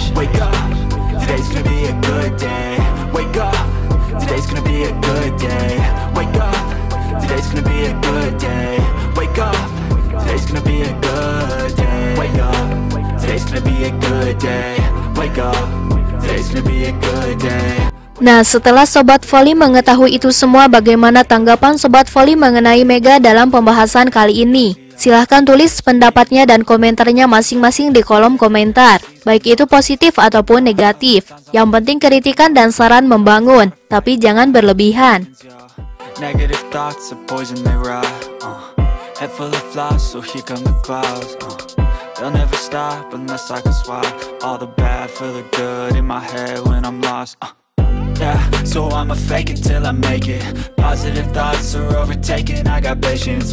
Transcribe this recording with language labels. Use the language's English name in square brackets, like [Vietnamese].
[English] Wake up, today's gonna be a good day. Wake up, today's gonna be a good day. Wake up, today's gonna be a good day. Wake up, today's gonna be a good day. Wake up, today's gonna be a good day. Wake up, today's gonna be a good day. [Indonesian] Nah, setelah Sobat Voli mengetahui itu semua, bagaimana tanggapan Sobat Voli mengenai Mega dalam pembahasan kali ini? Silahkan tulis pendapatnya dan komentarnya masing-masing di kolom komentar, baik itu positif ataupun negatif. Yang penting kritikan dan saran membangun, tapi jangan berlebihan. [English] Negative thoughts are poison they rot. Head full of flies, so here come the clouds. They'll never stop unless I can swap all the bad for the good in my head when I'm lost. Yeah, so I'ma fake it till I make it. Positive thoughts are overtaken, I got patience.